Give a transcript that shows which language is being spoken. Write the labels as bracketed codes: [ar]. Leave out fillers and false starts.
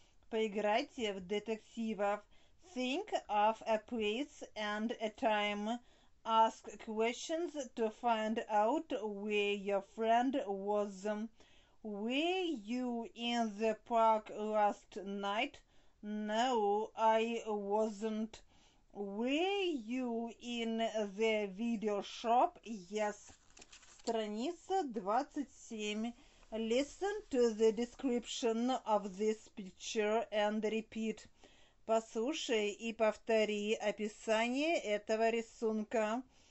[ru] Поиграйте в детективов. [en] Think of a place and a time. Ask questions to find out where your friend was. Were you in the park last night? No, I wasn't. Were you in the video shop? Yes. [ru] Страница 27. [en] Listen to the description of this picture and repeat. [ru] Послушай и повтори описание этого рисунка.